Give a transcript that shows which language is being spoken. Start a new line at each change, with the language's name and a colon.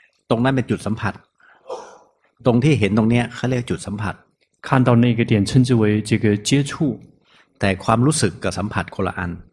Thai: ตรงนั้นเป็นจุดสัมผัสตรงที่เห็นตรงนี้เขาเรียกจุดสัมผัส
Chinese: 看到那个点称之为这个接触
Thai: แต่ความรู้สึกกับสัมผัสคนละอัน